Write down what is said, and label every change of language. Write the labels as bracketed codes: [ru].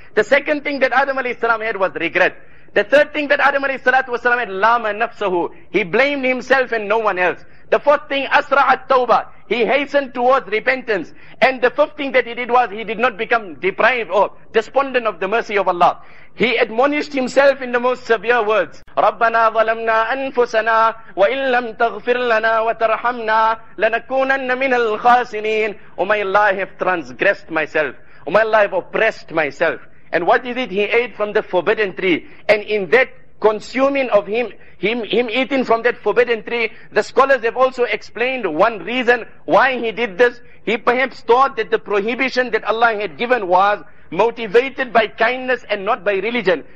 [en] The second thing that Adam alayhi salam had was regret. The third thing that Adam alayhi salatu wasalam had, [ar] lama nafsahu, [en] he blamed himself and no one else. The fourth thing, [ar] asra at tawbah, [en] he hastened towards repentance. And the fifth thing that he did was, he did not become deprived or despondent of the mercy of Allah. He admonished himself in the most severe words, [ar] رَبَّنَا ظَلَمْنَا أَنفُسَنَا وَإِن لَمْ تَغْفِرْ لَنَا وَتَرْحَمْنَا لَنَكُونَنَّ مِنَ الْخَاسِنِينَ. [en] O my Allah, I have transgressed myself. O my Allah, I have oppressed myself. And what is it? He ate from the forbidden tree. And in that consuming of him eating from that forbidden tree, the scholars have also explained one reason why he did this. He perhaps thought that the prohibition that Allah had given was motivated by kindness and not by religion.